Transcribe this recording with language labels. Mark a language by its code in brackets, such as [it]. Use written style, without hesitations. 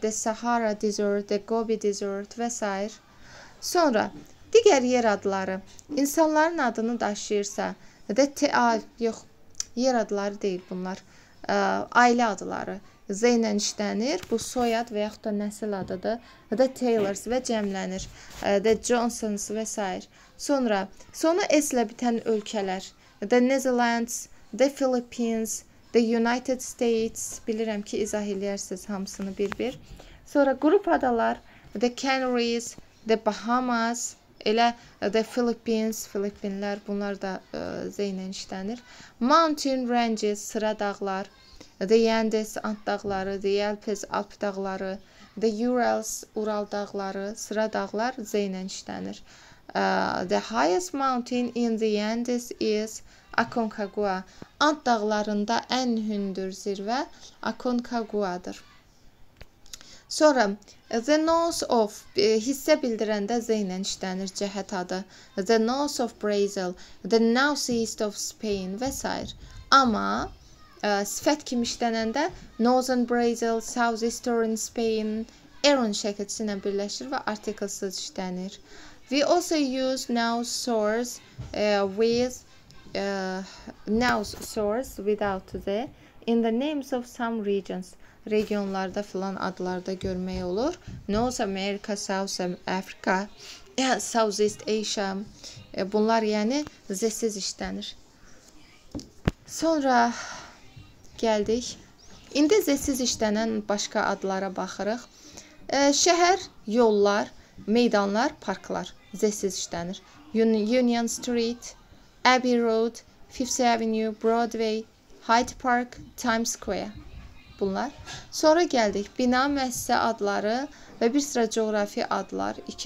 [az] The Sahara Desert, the Gobi Desert və s. Sonra digər yer adları, insanların adını daşıyırsa, the, yox, yer adları deyil bunlar, ailə adları. Zeynən işlənir. Bu soyad və yaxud da nəsil adıdır. Da Taylors və cəmlənir. Da Johnsons və s. Sonra, sonu S ilə bitən ölkələr. [en] The Netherlands, the Philippines, the United States. [az] Bilirəm ki, izah edərsiniz hamısını bir-bir. Sonra, qrup adalar. [en] The Canaries, the Bahamas, elə the Philippines, Filipinlər. [az] Bunlar da Zeynən işlənir. [en] Mountain ranges, [az] sıra dağlar. The Andes, Ant dağları, the Alps, Alp dağları, the Urals, Ural dağları, sıra dağlar Zeynən işlənir. [en] The highest mountain in the Andes is Aconcagua. [az] Ant dağlarında ən hündür zirvə Aconcagua'dır. Sonra, [en] the north of, [az] hissə bildirəndə Zeynən işlənir cəhət adı. [en] The north of Brazil, the northeast of Spain və s. [az] Amma sifət kimi işlənəndə Northern Brazil, Southeastern Spain, Aaron şəkilçisi ilə birləşir və artiklesiz işlənir. [en] We also use nouns source without the in the names of some regions. [az] Regionlarda filan adlarda görmək olur. North America, South Africa, Southeast Asia. Bunlar yəni z-siz işlənir. Sonra gəldik. İndi z-siz işlənən başqa adlara baxırıq. Şəhər, yollar, meydanlar, parklar z-siz işlənir. [en] Union Street, Abbey Road, Fifth Avenue, Broadway, Hyde Park, Times Square. [az] Bunlar. Sonra gəldik. Bina, müəssisə adları və bir sıra coğrafi adlar.